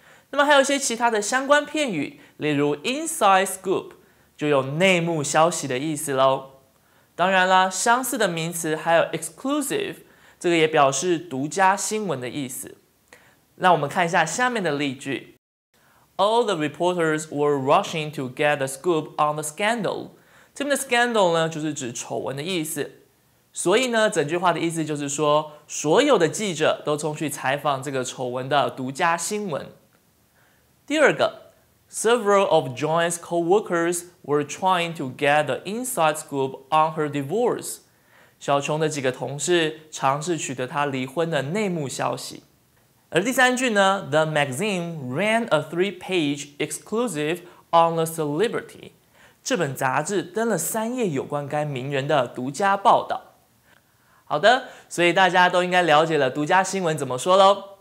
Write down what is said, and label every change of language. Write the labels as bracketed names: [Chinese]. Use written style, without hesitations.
[Chinese] 那么还有一些其他的相关片语，例如 inside scoop 就有内幕消息的意思咯。当然啦，相似的名词还有 exclusive， 这个也表示独家新闻的意思。那我们看一下下面的例句。 [English] All the reporters were rushing to get the scoop on the scandal. [Chinese] 这边的 scandal 呢，就是指丑闻的意思。所以呢，整句话的意思就是说，所有的记者都冲去采访这个丑闻的独家新闻。 [English] 第二个。 Several of Joanne's co-workers were trying to get the inside scoop on her divorce. [Chinese] 小琼的几个同事尝试取得她离婚的内幕消息。 [English] 而第三句呢 ,The magazine ran a three-page exclusive on the celebrity. [Chinese] 这本杂志登了三页有关该名人的独家报道。好的，所以大家都应该了解了独家新闻怎么说咯。